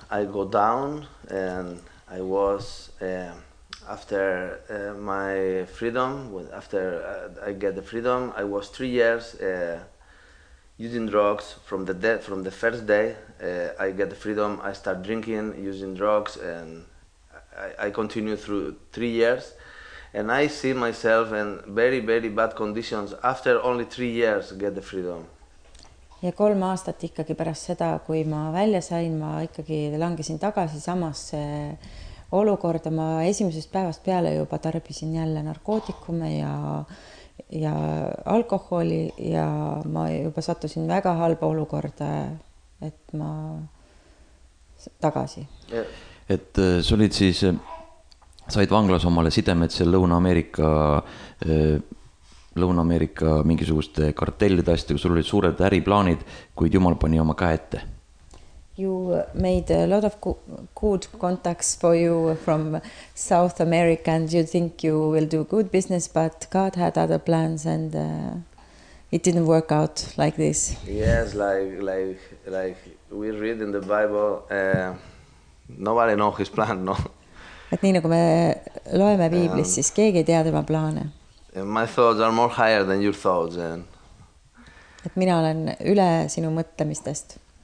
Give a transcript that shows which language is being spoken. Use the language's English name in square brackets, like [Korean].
[English] I go down and I was after my freedom, after I get the freedom, I was 3 years using drugs from the first day. I get the freedom, I start drinking, using drugs, and I continue through 3 years. And I see myself in very, very bad conditions after only 3 years get the freedom. [Estonian] Ja 3 aastat ikkagi pärast seda, kui ma välja sain, ma ikkagi langesin tagasi samasse olukorda. Ma esimesest päevast peale juba tarbisin jälle narkootikume ja alkoholi ja ma juba sattusin väga halba olukorda, et ma tagasi. [English] Yeah. [Estonian] Et sa olid siis, said vanglas omale sidemed seal Lõuna-Ameerika mingisuguste kartellide asjade, kus sul olid suured äriplaanid, kuid Jumal pani oma käe ette. [English] You made a lot of good contacts for you from South America and you think you will do good business, but God had other plans and it didn't work out like this. Yes, like we read in the Bible, nobody knows his plan, no? [Estonian] Et nii nagu me loeme Biiblis, siis keegi ei tea tema plaane. [English] My thoughts are more higher than your thoughts. [Estonian] Et mina olen üle sinu mõtlemistest.